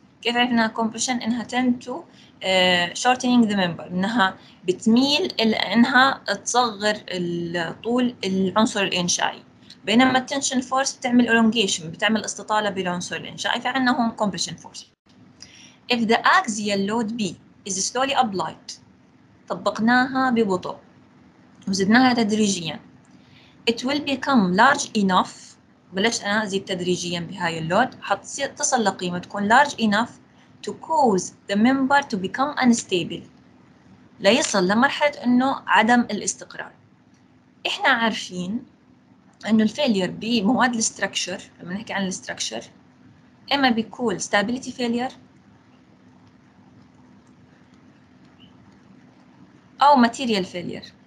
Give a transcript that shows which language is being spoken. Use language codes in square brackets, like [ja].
[ar] كيف عرفنا كمبريشن؟ إنها [en] tend to shortening the member, [ar] إنها بتميل إنها تصغر طول العنصر الإنشائي، بينما التنشن فورس بتعمل الونجيشن، بتعمل استطالة بالعنصر الإنشائي. فعندنا هون كومبريشن فورس. [en] If the axial load B is slowly applied، [ar] طبقناها ببطء وزدناها تدريجيا، [en] it will become large enough، [ar] بلشت أنا أزيد تدريجيا بهاي اللود، حتصل لقيمة تكون [en] large enough to cause the member to become unstable، [ar] ليصل لمرحلة إنه عدم الاستقرار. إحنا عارفين انه الفيلير بمواد الاستراكشر، لما نحكي عن الاستراكشر، اما بيكون ستابيليتي فيلير او ماتيريال فيلير.